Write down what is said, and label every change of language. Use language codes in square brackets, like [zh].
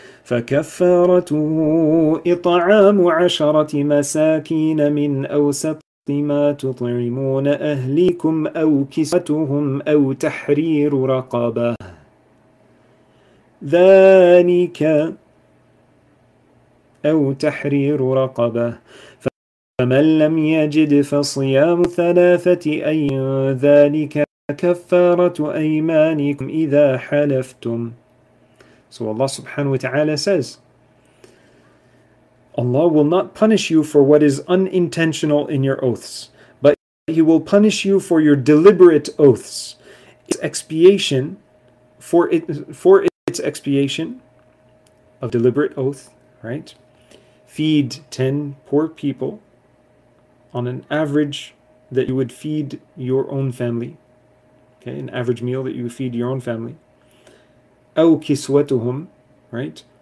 [ar] فكفارته إطعام عشرة مساكين من أوسط ما تطعمون أهليكم أو كسوتهم أو تحرير رقبة ذلك أو تحرير رقبة فمن لم يجد فصيام ثلاثة أيام ذلك كفارة أيمانكم إذا حلفتم. [en] So Allah subhanahu wa ta'ala says, Allah will not punish you for what is unintentional in your oaths, but He will punish you for your deliberate oaths. It's expiation for its expiation of deliberate oath, right? Feed 10 poor people on an average that you would feed your own family. Okay, an average meal that you would feed your own family. [ar] أو كسوتهم, [en] right?